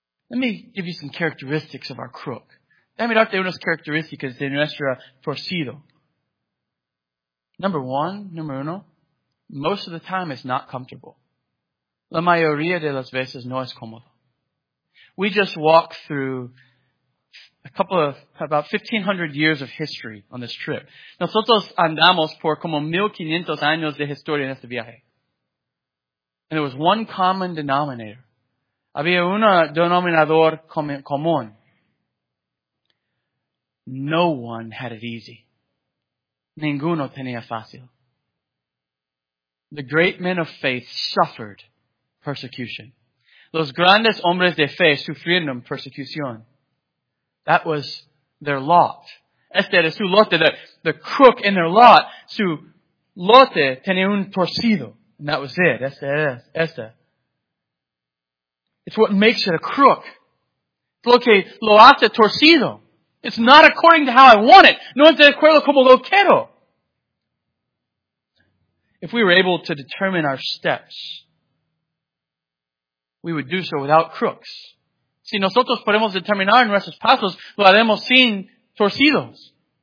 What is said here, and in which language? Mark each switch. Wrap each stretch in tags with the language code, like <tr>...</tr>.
<en>Let me give you some characteristics of our crook.</en> <es>Dame darte unas características de nuestro torcido.</es> <en>Number uno, most of the time it's not comfortable.</en> <es>La mayoría de las veces no es cómodo.</es> <en>We just walked through about 1,500 years of history on this trip.</en> <es>Nosotros andamos por como 1,500 años de historia en este viaje.</es> <en>And there was one common denominator.</en> <es>Había un denominador común.</es> <en>No one had it easy.</en> <es>Ninguno tenía fácil.</es> <en>The great men of faith suffered persecution.</en> <es>Los grandes hombres de fe sufrieron persecución.</es> <en>That was their lot.</en> <es>Este era su lote,</es> <en>the crook in their lot.</en> <es>Su lote tenía un torcido.</es> <en>And that was it.</en> <es>Este.</es> <en>It's what makes it a crook.</en> <es>Lo que lo hace torcido.</es> <en>It's not according to how I want it.</en> <es>No es de acuerdo como lo quiero.</es> <en>If we were able to determine our steps, we would do so without crooks.</en> <es>Si nosotros podemos determinar nuestros pasos, lo haremos sin torcidos.</es>